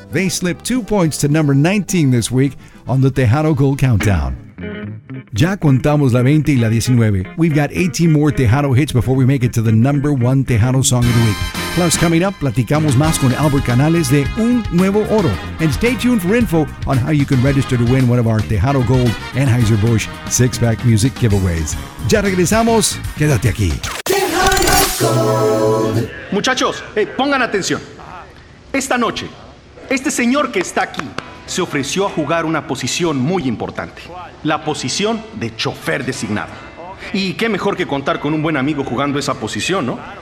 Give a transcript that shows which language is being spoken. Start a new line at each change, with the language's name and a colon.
English: They slipped 2 points to number 19 this week on the Tejano Gold Countdown.
Spanish: Ya contamos la 20 y la 19.
English: We've got 18 more Tejano hits before we make it to the number one Tejano song of the week. Plus, coming up,
Spanish: platicamos más con
English: Albert Canales de Un Nuevo Oro. And stay tuned for info on how you can register to win one of our Tejano Gold Anheuser-Busch six-pack music giveaways.
Spanish: Ya regresamos. Quédate aquí. Tejano Gold. Muchachos, pongan atención. Esta noche, este señor que está aquí se ofreció a jugar una posición muy importante. La posición de chofer designado. Y qué mejor que contar con un buen amigo jugando esa posición, ¿no?